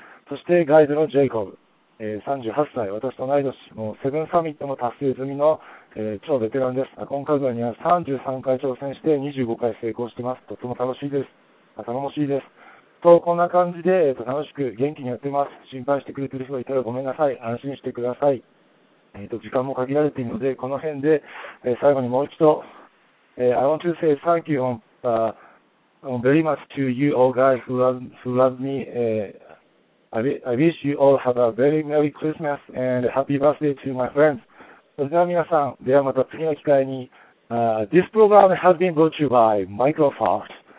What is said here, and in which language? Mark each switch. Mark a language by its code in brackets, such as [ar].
[ja] そしてガイドのジェイコブ、38歳、私と同い年、もうセブンサミットも達成済みの、超ベテランです。アコンカグアには33回挑戦して25回成功しています。とても楽しいです。頼もしいです。と、こんな感じで、楽しく元気にやってます。心配してくれてる人がいたらごめんなさい。安心してください。時間も限られているので、この辺で、最後にもう一度、 [en] I want to say thank you on, very much to you all guys who love me. I wish you all have a very Merry Christmas and Happy Birthday to my friends. [ja] それでは皆さん、ではまた次の機会に。 [en] This program has been brought to you by Microsoft.